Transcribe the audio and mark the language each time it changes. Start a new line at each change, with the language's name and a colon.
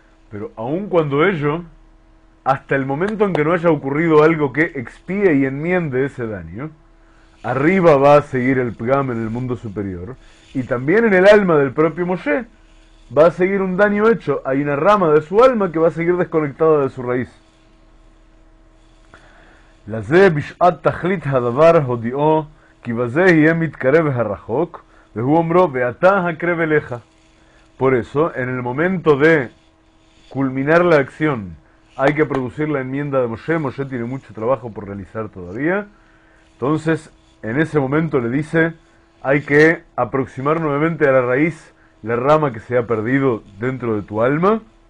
Spanish: pero aun cuando ello, hasta el momento en que no haya ocurrido algo que expíe y enmiende ese daño, arriba va a seguir el Pgam en el mundo superior, y también en el alma del propio Moshe va a seguir un daño hecho, hay una rama de su alma que va a seguir desconectada de su raíz.
Hebrew: לזה בשעת תכלית הדבר הודיעו כי בזה יהיה מתקרב הרחוק והוא אומרו ואתה הקרב אליך.
Spanish: Por eso, en el momento de culminar la acción, hay que producir la enmienda de Moshe. Moshe tiene mucho trabajo por realizar todavía. Entonces, en ese momento le dice, hay que aproximar nuevamente a la raíz, la rama que se ha perdido dentro de tu alma.